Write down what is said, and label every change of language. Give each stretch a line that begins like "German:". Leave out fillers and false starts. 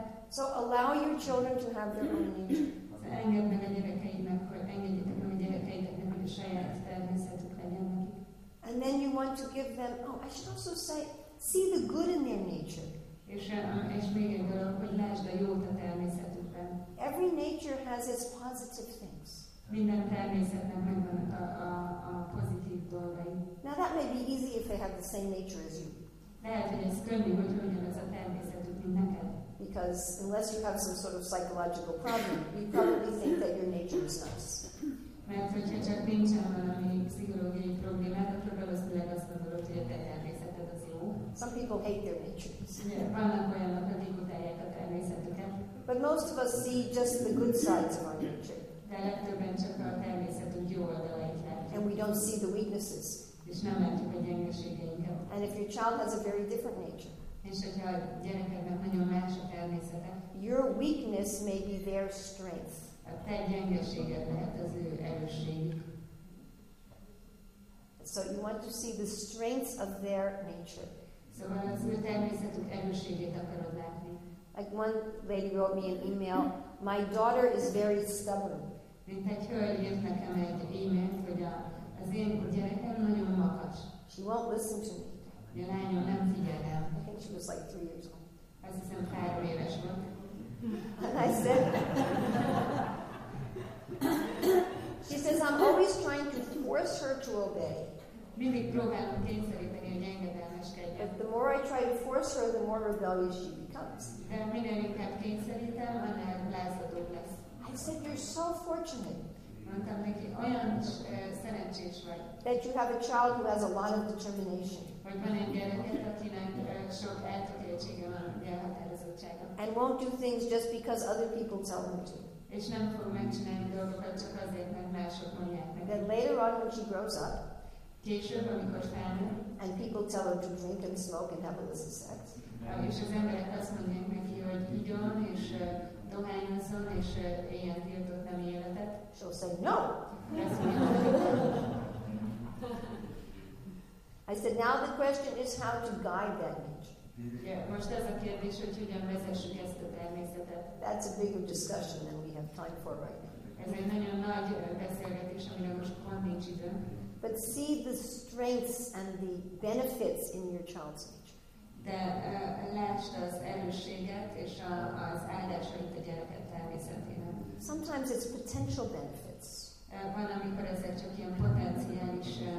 English: So allow your children to have their own nature.
Hungarian: Engedd meg a gyerekeinek, hogy engedjétek meg a gyerekeinek, hogy a saját természetük legyen nekik.
English: And then you want to give them, oh, I should also say, see the good in their nature.
Hungarian: És még egy dolog, hogy lásd a jót a természetükben.
English: Every nature has its positive things.
Hungarian: Minden természetnek megvan a pozitív dolgai.
English: Now that may be easy if they have the same nature as you.
Hungarian: Lehet, hogy ez könnyű, hogy ugyanaz a természetük, mint neked.
English: Because unless you have some sort of psychological problem, you probably think that your nature is nice.
Hungarian: Mert hogyha csak nincsen valami pszichológiai problémát, akkor valószínűleg azt gondolod, hogy a te természeted az jó.
English: Some people hate their natures.
Hungarian: Vannak olyanok, akik utálják a természetüket.
English: But most of us see just the good sides of our nature.
Hungarian: De legtöbben csak a természetünk jó oldalait látjuk.
English: And we don't see the weaknesses.
Hungarian: És nem látjuk a gyengeségeinket.
English: And if your child has a very different nature,
Hungarian: és hogyha a gyerekeknek nagyon más a természete,
English: your weakness may be their strength.
Hungarian: A te gyengeséged lehet az ő erősségük.
English: So you want to see the strength of their nature.
Hungarian: Szóval az ő természetük erősségét akarod látni.
English: Like one lady wrote me an email, my daughter is very stubborn.
Hungarian: Mint egy hölgy írt nekem egy e-mailt, hogy az én gyerekem nagyon makacs.
English: She won't listen to me.
Hungarian: Ja, lányom, nem figyel el.
English: She was like 3 years old.
Hungarian: Azt hiszem, 3 éves volt.
English: And I said, she says, I'm always trying to force her to obey.
Hungarian: Mindig próbálom kényszeríteni, hogy engedelmeskedjen.
English: But the more I try to force her, the more rebellious she becomes.
Hungarian: De minél inkább kényszerítem, annál lázadóbb lesz.
English: I said, you're so fortunate.
Hungarian: Mondtam neki, olyan szerencsés vagy.
English: That you have a child who has a lot of determination.
Hungarian: Hogy van egy gyereket, akinek sok eltökéltsége van, elhatározottsága.
English: And won't do things just because other people tell them to.
Hungarian: És nem fog megcsinálni dolgokat, csak azért, mert mások mondják meg.
English: Then later on, when she grows up,
Hungarian: később, amikor felnő,
English: and people tell her to drink and smoke and have illicit sex,
Hungarian: és az emberek azt mondják neki, hogy igyon, és dohányozzon, és éljen tiltott nemi életet,
English: she'll say, no! I said, now the question is how to guide that nature.
Hungarian: Yeah, most az a kérdés, hogy hogyan vezessük ezt a természetet.
English: That's a bigger discussion than we have time for right now.
Hungarian: Ez egy nagyon nagy beszélgetés, amire most pont nincs idő.
English: But see the strengths and the benefits in your child's nature.
Hungarian: De lásd az erősséget és az áldásait a gyereket természetében.
English: Sometimes it's potential benefits.
Hungarian: Van, amikor ezek csak ilyen potenciális